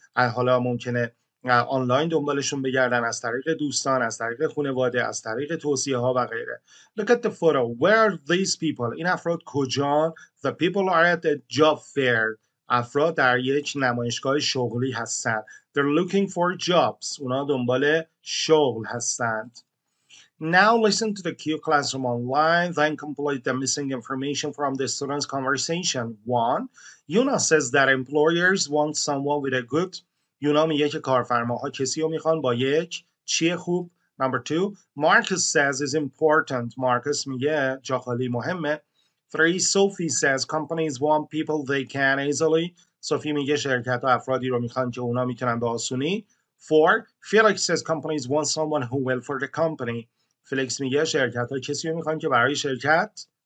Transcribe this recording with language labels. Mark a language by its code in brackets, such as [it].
[fa] حالا ممکنه آنلاین دنبالشون بگردن از طریق دوستان، از طریق خانواده، از طریق توصیه ها و غیره. [en] Look at the photo. Where are these people? [fa] این افراد کجان؟ [en] The people are at a job fair. [fa] افراد در یک نمایشگاه شغلی هستند. [en] They're looking for jobs. [fa] اونا دنبال شغل هستند. [en] Now listen to the Q classroom online, then complete the missing information from the students' conversation. One, Yuna says that employers want someone with a good... [fa] یونا میگه که کارفرماها کسی رو میخوان با یک چیه خوب. [en] Number 2, Marcus says is important. Marcus [fa] میگه جا خالی مهمه. [en] 3, Sophie says companies want people they can easily. [fa] سوفی میگه شرکت و افرادی رو میخوان که اونا میتونن به آسونی. [en] 4, Felix says companies want someone who will for the company. [fa] فلیکس میگه شرکت ها کسی رو میخوان که برای شرکت.